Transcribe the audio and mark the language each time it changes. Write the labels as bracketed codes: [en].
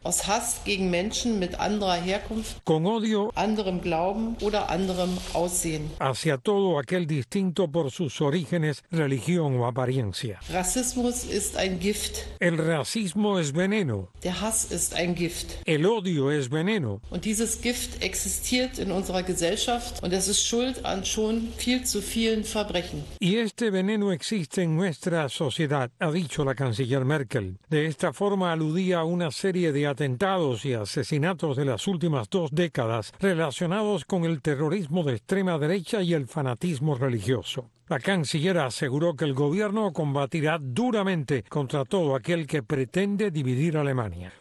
[de] aus Hass gegen Menschen mit anderer Herkunft, [es] con odio [de] anderem Glauben oder anderem Aussehen, [es] hacia todo aquel distinto por sus orígenes, religión o apariencia. [de] Rassismus ist ein Gift. [es] El racismo es veneno. [de] Der Hass ist ein Gift. [es] El odio es veneno. [de] Und dieses Gift existiert in unserer Gesellschaft und es ist schuld an schon viel zu vielen Verbrechen. [es] Y este veneno existe en nuestra sociedad, ha dicho la canciller Merkel. De esta forma aludía a una serie de atentados y asesinatos de las últimas dos décadas relacionados con el terrorismo de extrema derecha y el fanatismo religioso. La canciller aseguró que el gobierno combatirá duramente contra todo aquel que pretende dividir Alemania.